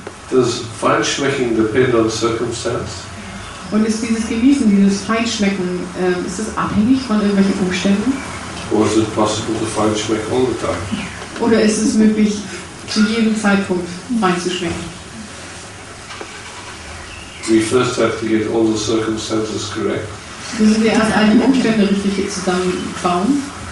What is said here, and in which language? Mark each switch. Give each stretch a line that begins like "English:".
English: Does feinschmecken depend on circumstance?
German: Und ist dieses Genießen, dieses Feinschmecken, ist das abhängig von irgendwelchen Umständen?
English: Or is it possible to feinschmecken all the time?
German: Oder ist es möglich, zu jedem Zeitpunkt feinzuschmecken?
English: We first have to get all the circumstances correct.
German: Müssen wir erst all die Umstände richtig zusammenbauen?